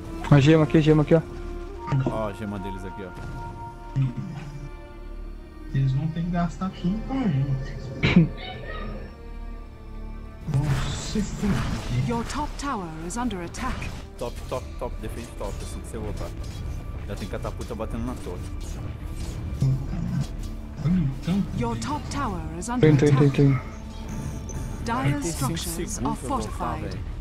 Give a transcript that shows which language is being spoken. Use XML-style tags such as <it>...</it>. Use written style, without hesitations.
<pt>A gema aqui, ó. Ó, a gema deles aqui, ó. Eles vão ter que gastar tudo pra gente.</pt> <en>Your top tower is under attack.</en> <pt>Top, top, top, defende top, assim que você voltar. Já tem catapulta batendo na torre.</pt> <en>Your top tower is under attack.</en> <pt>Tem, tem, tem,</pt> <en>dire structures are fortified.</en>